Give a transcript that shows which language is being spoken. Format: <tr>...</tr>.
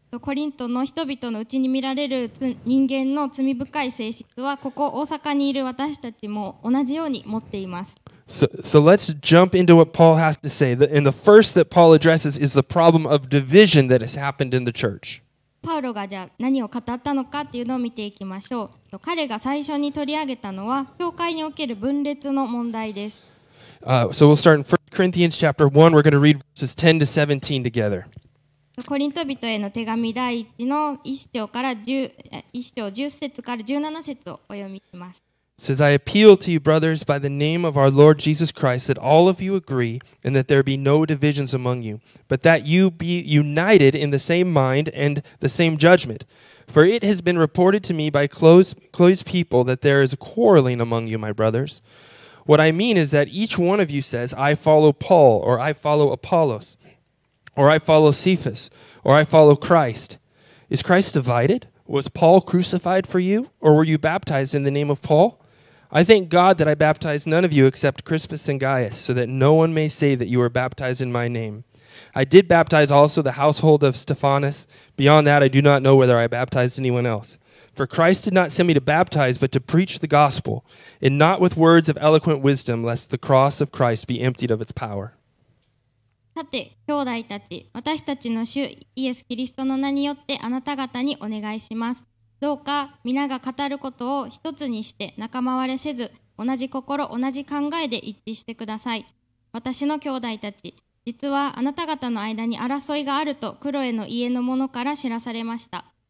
<ja>コリントの人々のうちに見られる人間の罪深い性質はここ大阪にいる私たちも同じように持っています。</ja> <en>So let's jump into what Paul has to say. And the first that Paul addresses is the problem of division that has happened in the church.</en> <ja>パウロがじゃあ何を語ったのかっていうのを見ていきましょう。彼が最初に取り上げたのは教会における分裂の問題です。</ja> <en>So we'll start in 1 Corinthians chapter 1. We're going to read verses 10 to 17 together.</en> <ja>コリント人への手紙第一の1章10節から17節をお読みします。</ja> <en>It says, I appeal to you, brothers, by the name of our Lord Jesus Christ, that all of you agree and that there be no divisions among you, but that you be united in the same mind and the same judgment. For it has been reported to me by close people that there is quarreling among you, my brothers. What I mean is that each one of you says, I follow Paul or I follow Apollos. Or I follow Cephas, or I follow Christ. Is Christ divided? Was Paul crucified for you? Or were you baptized in the name of Paul? I thank God that I baptized none of you except Crispus and Gaius, so that no one may say that you were baptized in my name. I did baptize also the household of Stephanas. Beyond that, I do not know whether I baptized anyone else. For Christ did not send me to baptize, but to preach the gospel, and not with words of eloquent wisdom, lest the cross of Christ be emptied of its power.</en> <ja>さて、兄弟たち、私たちの主イエス・キリストの名によってあなた方にお願いします。どうか皆が語ることを一つにして仲間割れせず、同じ心、同じ考えで一致してください。私の兄弟たち、実はあなた方の間に争いがあるとクロエの家の者から知らされました。</ja>